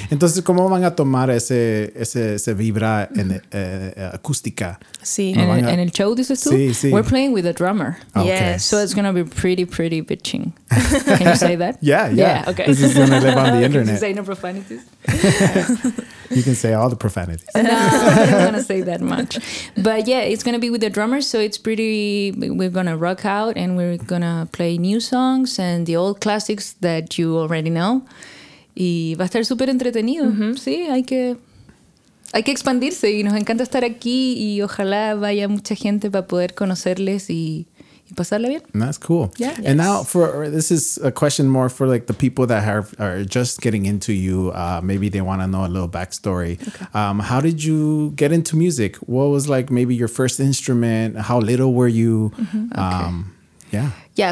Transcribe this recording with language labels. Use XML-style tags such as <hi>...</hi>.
<es>Entonces, ¿cómo van a tomar ese vibra en acústica? Sí. ¿En el show, dices tú? Sí, sí.</es> <en>We're playing with a drummer. Okay. Yes. So it's going to be pretty, pretty bitching. Can you say that? Yeah. Okay. This is going to live on the internet. Can you say no profanities? You can say all the profanities. No, I don't want to say that much. But yeah, it's going to be with the drummer. So it's pretty, we're going to rock out and we're going to play new songs and the old classics that you already know.</en> <es>Y va a estar súper entretenido. Mm-hmm. Sí, hay que expandirse y nos encanta estar aquí y ojalá vaya mucha gente para poder conocerles y pasarla bien.</es> <en>That's cool. Yeah. And now this is a question more for like the people that are just getting into you. Maybe they want to know a little backstory. Okay. How did you get into music? What was like maybe your first instrument? How little were you? Mm-hmm. Okay. Yeah,</en>